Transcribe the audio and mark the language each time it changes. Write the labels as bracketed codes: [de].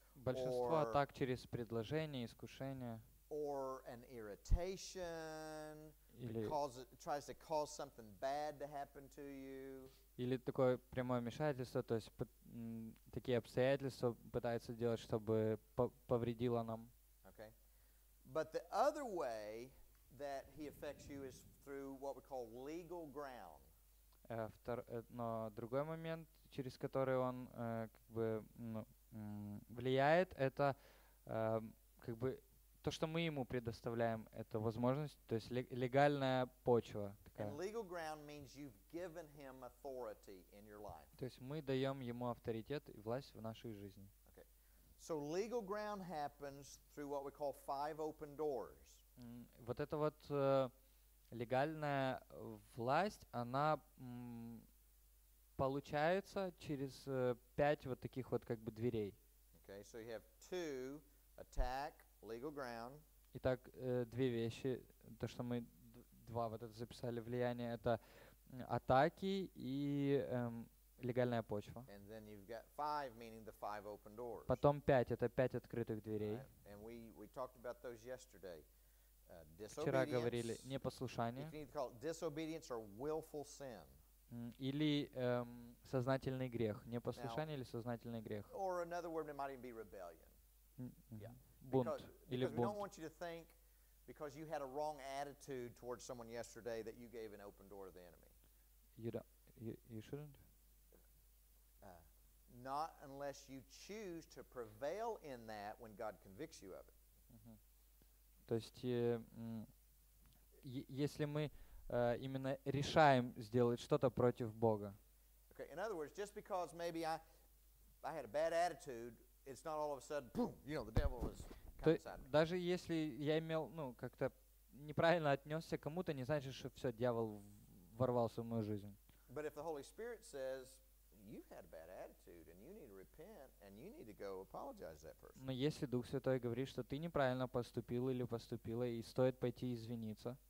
[ru] большинство атак через предложение, искушение, [en] or an irritation, tries to cause something bad to happen to you, [ru] или такое прямое вмешательство, то есть такие обстоятельства пытаются делать, чтобы повредило нам. [en] Okay, but the other way that he affects you is through what we call legal ground. [ru] Но другой момент, через который он как бы влияет, это как бы то, что мы ему предоставляем эту возможность, то есть легальная почва. [en] And legal ground means you've given him authority in your life. [ru] То есть мы даем ему авторитет и власть в нашей жизни. [en] Okay. So legal ground happens through what we call 5 open doors. [ru] Вот это вот легальная власть, она получается через 5 вот таких вот как бы дверей. [en] Okay, so you have 2, attack, legal ground. [ru] Итак, две вещи, то, что мы два вот это записали, влияние, это атаки и легальная почва. [en] And then you've got 5, meaning the 5 open doors. [ru] Потом 5, это 5 открытых дверей. [en] Right. And we talked about those yesterday. [ru] Вчера говорили непослушание. [en] You can either call it disobedience or willful sin. [ru] Или сознательный грех. Непослушание или сознательный грех. [en] Or another word, it might even be rebellion. Yeah. [ru] Бунт. [en] Because we don't want you to think because you had a wrong attitude towards someone yesterday that you gave an open door to the enemy. You shouldn't. Not unless you choose to prevail in that when God convicts you of it. [ru] То есть, если мы именно решаем сделать что-то против Бога. [en] Okay, in other words, just because maybe I had a bad attitude, it's not all of a sudden, boom, you know, the devil is coming inside me. [ru] Даже если я имел, ну, как-то неправильно отнесся к кому-то, не значит, что все, дьявол ворвался в мою жизнь. [en] But if the Holy Spirit says, you've had a bad attitude and you need to repent and you need to go apologize to that person. [ru] Но если Дух Святой говорит, что ты неправильно поступил или поступила, и стоит пойти извиниться.